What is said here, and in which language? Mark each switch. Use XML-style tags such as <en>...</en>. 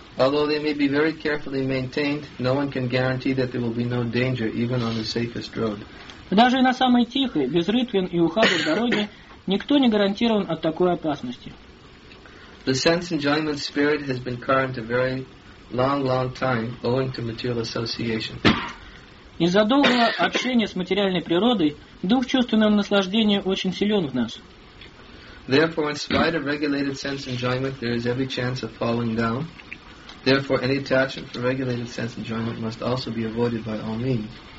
<en>Although they may be very carefully maintained, no one can guarantee that there will be no danger even on the safest road.</en> <ru>Даже на самой тихой, без рытвин и ухабов дороге никто не гарантирован от такой опасности.</ru> <en>The sense enjoyment spirit has been current a very long time owing to material association.</en> <ru>Из-за долгого общения с материальной природой дух чувственного наслаждения очень силен в нас.</ru> <en>Therefore, in spite of regulated sense enjoyment, there is every chance of falling down. Therefore, any attachment for regulated sense enjoyment must also be avoided by all means.</en>